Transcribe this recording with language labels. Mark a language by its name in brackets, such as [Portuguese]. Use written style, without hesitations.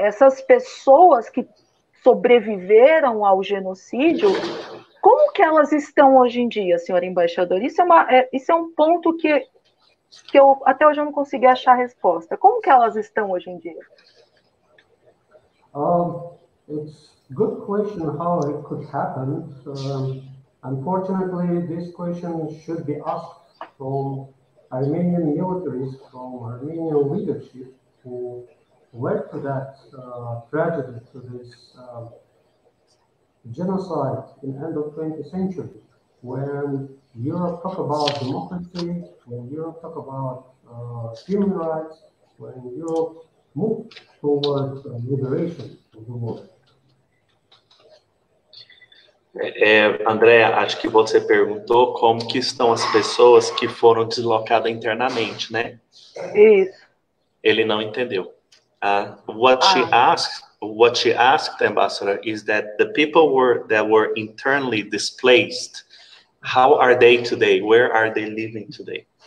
[Portuguese] Essas pessoas que sobreviveram ao genocídio, como que elas estão hoje em dia, senhor embaixador? Isso é um ponto que eu até hoje eu não consegui achar a resposta. Como que elas estão hoje em dia? [English] It's a good question how it could happen. Unfortunately, this question should be asked from Armenian militaries, from Armenian leadership, who led to that tragedy, to this genocide in the end of 20th century, when Europe talk about democracy, when Europe talk about human rights, when Europe move towards liberation of the world. [Portuguese] Andréa, acho que você perguntou como que estão as pessoas que foram deslocadas internamente, né? Isso. Ele não entendeu. [English] What she asked, Ambassador, is that the people that were internally displaced, how are they today? Where are they living today?